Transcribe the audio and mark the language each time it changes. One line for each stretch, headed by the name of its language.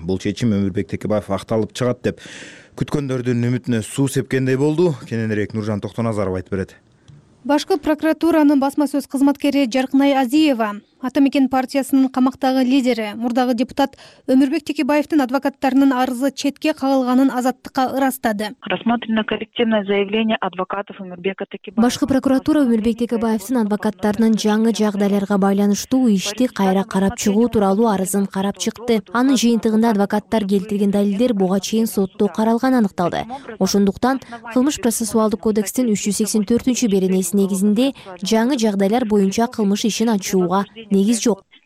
Kyrgyz: Бул чечим Өмүрбек Текебаев акталып чыгат деп күткөндөрдүн үмүтүнө суу сепкендей болду. Кененирээк Нуржан Токтоназаров айтып берет. Башкы прокуратуранын басма сөз кызматкери Жаркынай Азиева Атамекен партиясынын камактагы лидери, мурдагы депутат Өмүрбек Текебаевдин адвокаттарынын арызы четке кагылганын Азаттыкка ырастады.
Russian: Рассмотрено коллективное заявление адвокатов Өмүрбека Текебаева.
Kyrgyz: Башкы прокуратура Өмүрбек Текебаевдин адвокаттарынын жаңы жагдайларга байланыштуу ишти кайра карап чыгуу тууралуу арызын карап чыкты. Анын жыйынтыгында адвокаттар келтирген далилдер буга чейин соттоо каралган аныкталды. Ошондуктан кылмыш процессуалдык кодекстин 384 беренеси негизинде жаңы жагдайлар боюнча кылмыш ишин ачууга негиз жок.